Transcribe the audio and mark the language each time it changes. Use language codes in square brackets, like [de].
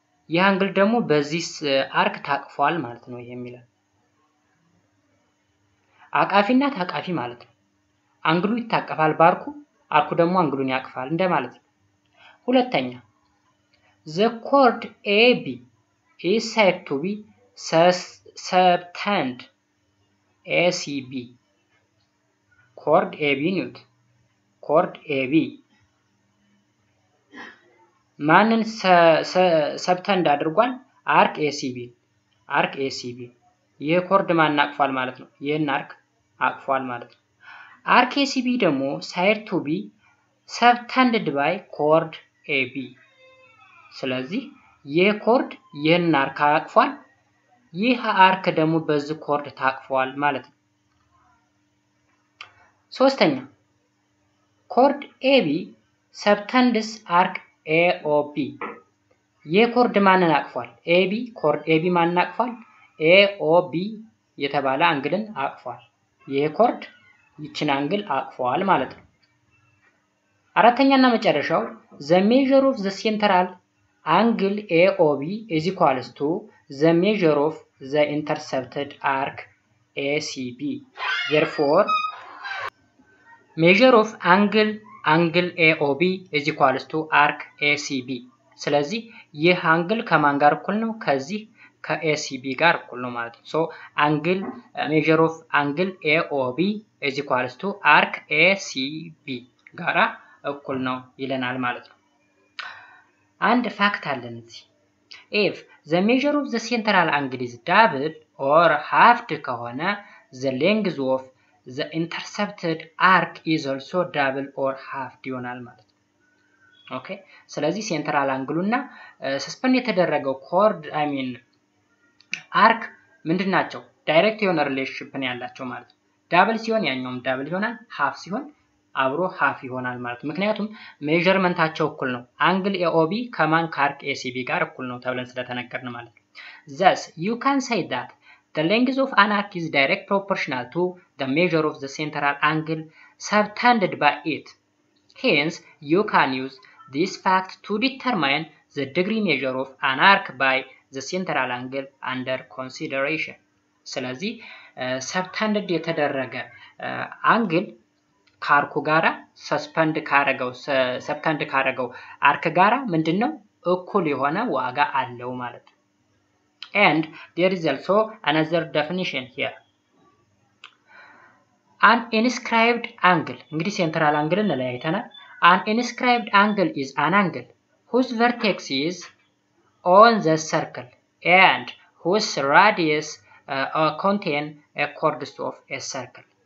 [am] ይህ አንግል ደግሞ በዚህ አርክ ታቅፏል ማለት ነው. ይሄም ይላል አቃፊና ታቃፊ ማለት ነው. አንግሉ ይታቀፋል በአርኩ, አርኩ ደግሞ አንግሉን ያቅፋል እንደማለት ነው. [en] ሁለተኛ the chord AB is said to be subtend ACB. [am] chord AB ነው. chord AB ማንን ሰብተንድ አድርጓል? አርክ ACB. አርክ ACB ይሄ chord ማን አቅፏል ማለት ነው. ይሄን አርክ አቅፏል ማለት ነው. [en] አርክ ACB ደግሞ said to be subtended by chord AB. [am] ስለዚህ ይሄ chord ይሄን አርክ አቅፏል. ይሄ አርክ ደግሞ በዚህ chord ታቅፏል ማለት ነው. [en] ሶስተኛ chord AB subtends arc AOB. [am] የኮርድ ማንን አቅፏል? AB chord AB ማንን አቅፏል? AOB የተባለ አንግልን አቅፏል. የኮርድ ይቺን አንግል አቅፏል ማለት ነው. [en] አራተኛና መጨረሻው the measure of the central angle AOB is equal to the measure of the intercepted arc ACB. Therefore measure of angle AOB is equal to arc ACB. [am] ስለዚህ ይህ አንግል ከማን ጋር እኩል ነው? ከዚህ ከACB ጋር እኩል ነው ማለት ነው. [en] so angle measure of angle AOB is equal to arc ACB [am] ጋራ እኩል ነው ይለናል ማለት ነው. አንድ ፋክት አለን እዚህ. [en] if the measure of the central angle is double or halved ከሆነ the length of the intercepted arc is also double or half [am] ይሆናል ነው ማለት ነው. ኦኬ. ስለዚህ ሴንትራል አንግሉና ሰስፔንድ የተደረገው ኮርድ አይ ሚን አርክ ምንድናቸው? ዳይሬክት የሆነ ሪሌሽንሺፕ ነው ያላቸው ማለት ነው. ዳብል ሲሆን ያኛውም ዳብል ይሆናል, half ሲሆን አብሮ half ይሆናል ማለት ነው. ምክንያቱም ሜጀርመንታቸው እኩል ነው. አንግል AOB ከማን ካርክ ACB ጋር እኩል ነው ተብለን ስለተነገርን ማለት ነው. [en] thus you can say that the length of an arc is directly proportional to the measure of the central angle subtended by it. Hence, you can use this fact to determine the degree measure of an arc by the central angle under consideration. [am] ስለዚ subtended የተደረገ አንግል ካርኩ ጋራ suspend ካረገው subtend ካረገው አርክ ጋራ ምንድነው? እኩል የሆነ ዋጋ አለው ማለት ነው. [en] And there is also another definition here. An inscribed angle. [am] እንግዲህ ሴንትራል አንግልን ለያይተናል. [en] An inscribed angle is an angle whose vertex is on the circle and whose radius contain a chords of a circle.